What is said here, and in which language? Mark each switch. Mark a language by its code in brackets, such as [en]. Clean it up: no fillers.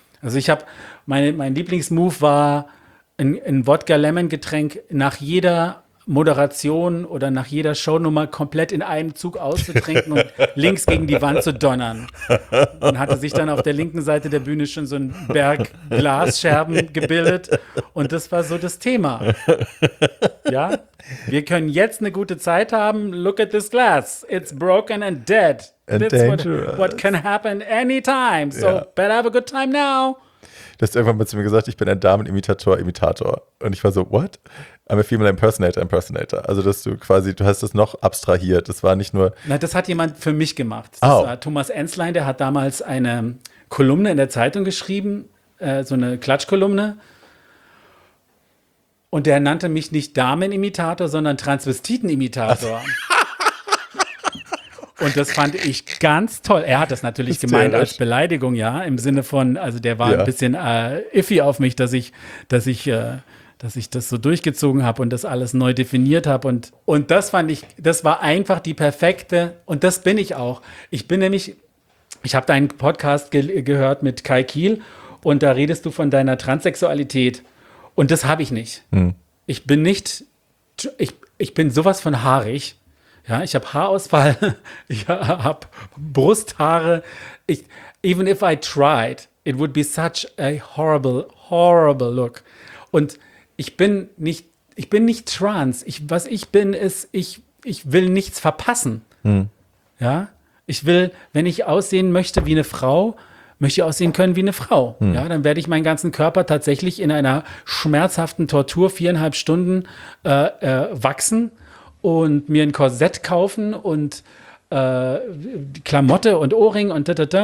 [de] Also ich habe, mein Lieblingsmove war, ein Wodka-Lemon-Getränk nach jeder Moderation oder nach jeder Shownummer komplett in einem Zug auszutrinken und links gegen die Wand zu donnern. Und hatte sich dann auf der linken Seite der Bühne schon so ein Berg Glasscherben gebildet. Und das war so das Thema. Ja? Wir können jetzt eine gute Zeit haben. [en] Look at this glass. It's broken and dead. And that's dangerous. What can happen anytime. So better have a good time now. [de] Du hast irgendwann mal zu mir gesagt, ich bin ein Damenimitator. Und ich war so, what? [en] I'm a female impersonator. [de] Also, dass du quasi, du hast das noch abstrahiert. Das war nicht nur. Na, das hat jemand für mich gemacht. Das war Thomas Enzlein, der hat damals eine Kolumne in der Zeitung geschrieben, so eine Klatschkolumne. Und der nannte mich nicht Damenimitator, sondern Transvestitenimitator. Und das fand ich ganz toll. Er hat das natürlich gemeint als Beleidigung, ja, im Sinne von, also der war ein bisschen iffy auf mich, dass ich das so durchgezogen habe und das alles neu definiert habe. Und das fand ich, das war einfach die perfekte, und das bin ich auch. Ich bin nämlich, ich habe deinen Podcast gehört mit Kai Kiel und da redest du von deiner Transsexualität und das habe ich nicht. Hm. Ich bin nicht, ich bin sowas von haarig. Ja, ich habe Haarausfall, ich habe Brusthaare. [en] Ich, even if I tried, it would be such a horrible, horrible look. [de] Und ich bin nicht trans. Ich, was ich bin, ist, ich will nichts verpassen. Hm. Ja, ich will, wenn ich aussehen möchte wie eine Frau, möchte ich aussehen können wie eine Frau. Hm. Ja, dann werde ich meinen ganzen Körper tatsächlich in einer schmerzhaften Tortur 4,5 Stunden wachsen und mir ein Korsett kaufen und Klamotte und Ohrring und tatata.